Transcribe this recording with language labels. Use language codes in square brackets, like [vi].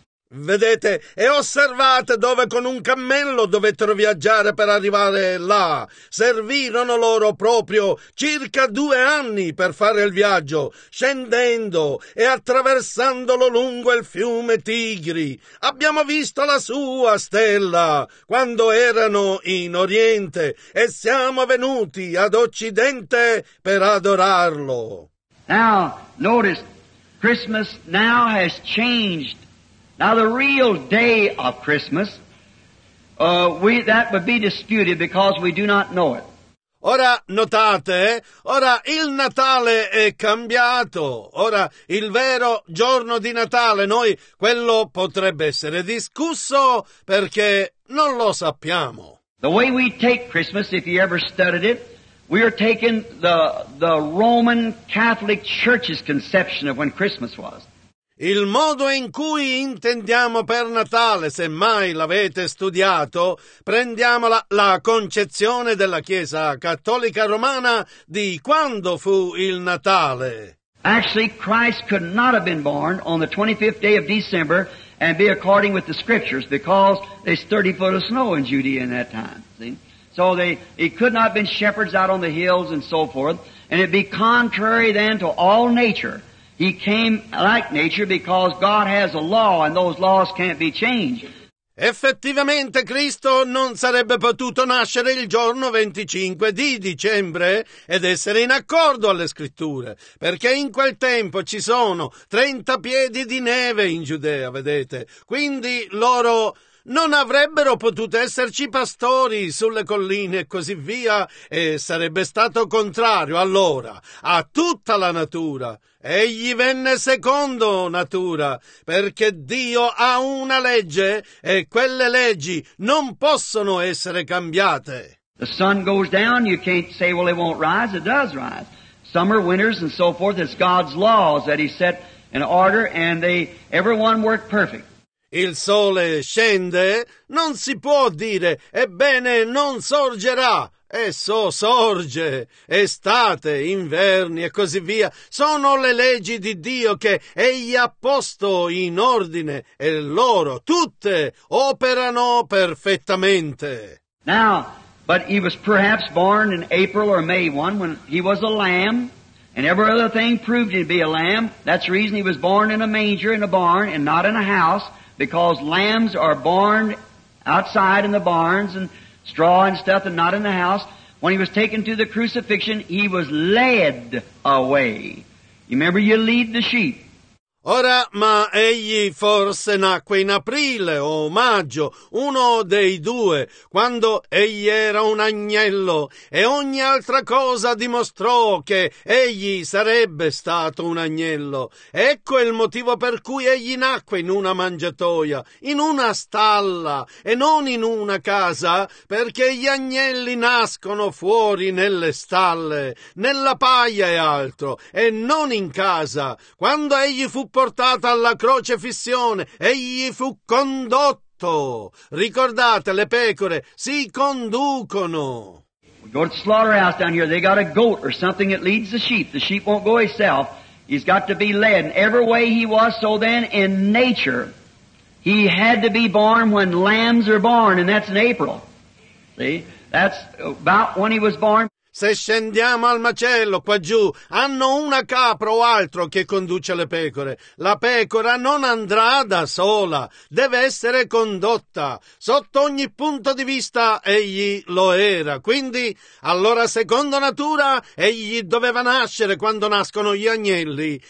[it] Vedete, e osservate dove con un cammello dovettero viaggiare per arrivare là. Servirono loro proprio circa 2 anni per fare il viaggio, scendendo e attraversandolo lungo il fiume Tigri. Abbiamo visto la sua stella quando erano in Oriente e siamo venuti ad Occidente per adorarlo. [en] Now, notice, Christmas now has changed. Now the real day of Christmas, that would be disputed because we do not know it. [it] Ora notate, ora il Natale è cambiato. Ora il vero giorno di Natale, noi quello potrebbe essere discusso perché non lo sappiamo. [en] The way we take Christmas, if you ever studied it, we are taking the Roman Catholic Church's conception of when Christmas was. [it] Il modo in cui intendiamo per Natale, se mai l'avete studiato, prendiamo la concezione della Chiesa Cattolica Romana di quando fu il Natale. [en] Actually, Christ could not have been born on the 25th day of December and be according with the scriptures because there's 30 foot of snow in Judea in that time. See? So he could not have been shepherds out on the hills and so forth, and it'd be contrary then to all nature. He came like nature because God has a law and those laws can't be changed. [it] Effettivamente Cristo non sarebbe potuto nascere il giorno 25 di dicembre ed essere in accordo alle scritture, perché in quel tempo ci sono 30 piedi di neve in Giudea, vedete? Quindi loro non avrebbero potuto esserci pastori sulle colline e così via, e sarebbe stato contrario allora a tutta la natura. Egli venne secondo natura, perché Dio ha una legge e quelle leggi non possono essere cambiate. [en] The sun goes down, you can't say, well, it won't rise. It does rise. Summer, winters, and so forth, it's God's laws that he set in order, and everyone worked perfect. [it] Il sole scende, non si può dire, ebbene non sorgerà, esso sorge, estate, inverni e così via, sono le leggi di Dio che egli ha posto in ordine e loro tutte operano perfettamente. [en] Now, but he was perhaps born in April or May 1 when he was a lamb And every other thing proved him to be a lamb. That's the reason he was born in a manger, in a barn, and not in a house, because lambs are born outside in the barns and straw and stuff and not in the house. When he was taken to the crucifixion, he was led away. You remember, you lead the sheep. [it] Ora, ma egli forse nacque in aprile o maggio, uno dei due, quando egli era un agnello, e ogni altra cosa dimostrò che egli sarebbe stato un agnello. Ecco il motivo per cui egli nacque in una mangiatoia, in una stalla, e non in una casa, perché gli agnelli nascono fuori nelle stalle, nella paglia e altro, e non in casa. Quando egli fu portata alla crocefissione, egli fu condotto. Ricordate, le pecore si conducono. [en] We go to the slaughterhouse down here, they got a goat or something that leads the sheep. The sheep won't go himself. He's got to be led. And every way he was, so then in nature, he had to be born when lambs are born, and that's in April. See? That's about when he was born. [it] Se scendiamo al macello, qua giù, hanno una capra o altro che conduce le pecore. La pecora non andrà da sola, deve essere condotta. Sotto ogni punto di vista egli lo era. Quindi, allora, secondo natura, egli doveva nascere quando nascono gli agnelli.